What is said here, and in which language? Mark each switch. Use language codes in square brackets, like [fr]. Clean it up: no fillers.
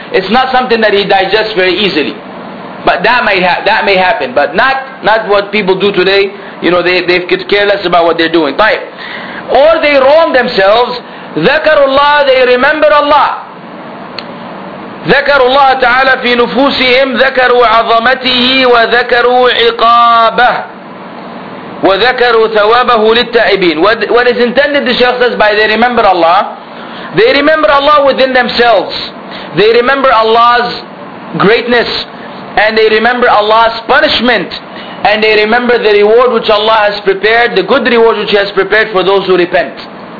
[en] It's not something that he digests very easily. But that may happen. But not what people do today. You know, they care less about what they're doing. [ar] طيب. [en] Or they wrong themselves. [ar] ذكر الله, [en] they remember Allah. [ar] ذكر الله تعالى في نفوسهم ذكروا عظمته وذكروا عقابه وذكروا ثوابه للتائبين. [en] What is intended, the Shaykh says, by they remember Allah, they remember Allah within themselves. They remember Allah's greatness, and they remember Allah's punishment, and they remember the reward which Allah has prepared, the good reward which He has prepared for those who repent.